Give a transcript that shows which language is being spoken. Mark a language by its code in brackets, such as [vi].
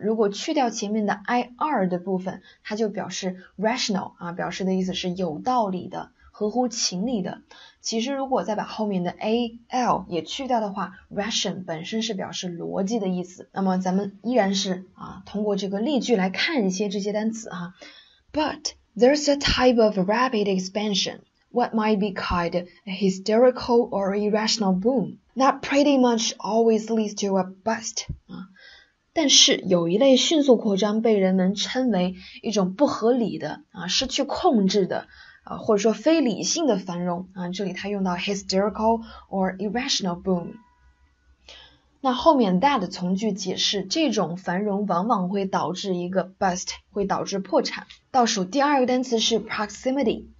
[zh] 如果去掉前面的 ir 的部分，它就表示 rational 啊，表示的意思是有道理的、合乎情理的。其实如果再把后面的 al 也去掉的话， ration 本身是表示逻辑的意思。那么咱们依然是啊，通过这个例句来看一些这些单词啊。 [en] But there's a type of rapid expansion. What might be called a hysterical or irrational boom that pretty much always leads to a bust. [zh] 但是有一类迅速扩张被人们称为一种不合理的啊，失去控制的啊，或者说非理性的繁荣啊。这里他用到 [en] hysterical or irrational boom。 [zh] 那后面 that 从句解释，这种繁荣往往会导致一个 bust， 会导致破产。倒数第二个单词是 proximity。